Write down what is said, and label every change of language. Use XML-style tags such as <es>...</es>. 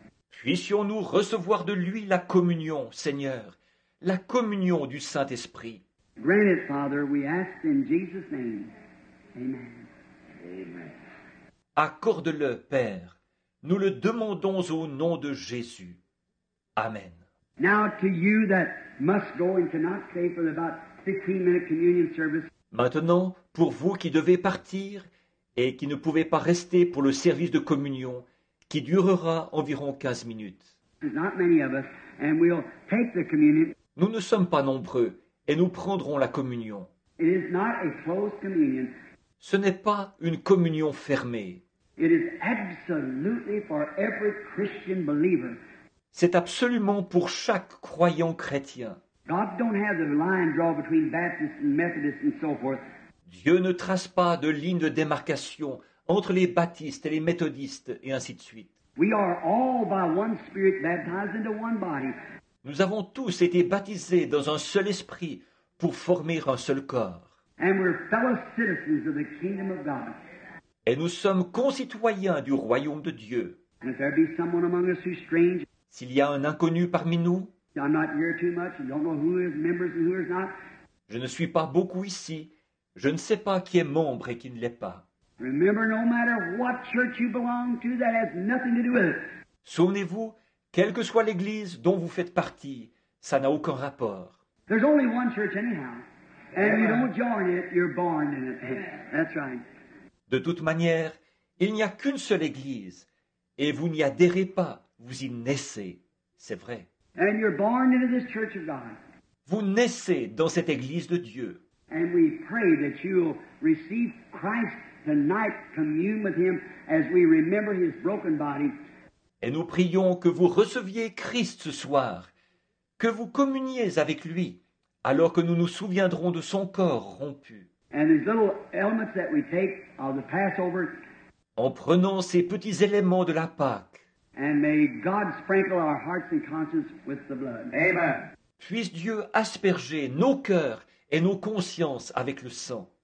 <fr>Puissions-nous recevoir de lui la communion, Seigneur, la communion du Saint-Esprit.</fr> <en>Grant it, Father, we ask in Jesus' name. Amen. Amen.</en> <fr>Accorde-le, Père. Nous le demandons au nom de Jésus. Amen.</fr> <en>Now to you that must go and cannot stay for about 15-minute communion service.</en> <fr>Maintenant, pour vous qui devez partir et qui ne pouvez pas rester pour le service de communion, qui durera environ 15 minutes.</fr> <en>Not many of us, and we'll take the communion.</en> <fr>Nous ne sommes pas nombreux, et nous prendrons la communion.</fr> <en>It is not a closed communion.</en> <fr>Ce n'est pas une communion fermée.</fr> <en>It is absolutely for every Christian believer.</en> <fr>C'est absolument pour chaque croyant chrétien.</fr> <en>God don't have the line draw between Baptists and Methodists and so forth.</en> <fr>Dieu ne trace pas de ligne de démarcation entre les baptistes et les méthodistes, et ainsi de suite.</fr> <en>We are all by one spirit baptized into one body.</en> <fr>Nous avons tous été baptisés dans un seul esprit pour former un seul corps.</fr> <en>And we're fellow citizens of the kingdom of God.</en> <fr>Et nous sommes concitoyens du royaume de Dieu.</fr> <en>And if there be someone among us who's strange,</en> <fr>s'il y a un inconnu parmi nous,</fr> <en>I'm not here too much, you don't know who is members and who is not.</en> <fr>Je ne suis pas beaucoup ici. Je ne sais pas qui est membre et qui ne l'est pas.</fr> <en>Remember, no matter what church you belong to, that has nothing to do with it.</en> <fr>Souvenez-vous, quelle que soit l'église dont vous faites partie, ça n'a aucun rapport.</fr> <en>There's only one church anyhow, and if you don't join it, you're born in it. That's right.</en> <fr>De toute manière, il n'y a qu'une seule église, et vous n'y adhérez pas, vous y naissez. C'est vrai.</fr> <en>And you're born into this church of God.</en> <fr>Vous naissez dans cette église de Dieu.</fr> <en>And we pray that you'll receive Christ tonight, commune with him as we remember his broken body.</en> <fr>Et nous prions que vous receviez Christ ce soir, que vous communiez avec lui, alors que nous nous souviendrons de son corps rompu.</fr> <en>And these little elements that we take of the Passover.</en> <fr>En prenant ces petits éléments de la Pâque.</fr> <en>And may God sprinkle our hearts and conscience with the blood. Amen.</en> <fr>Puisse Dieu asperger nos cœurs et nos consciences avec le sang.</fr>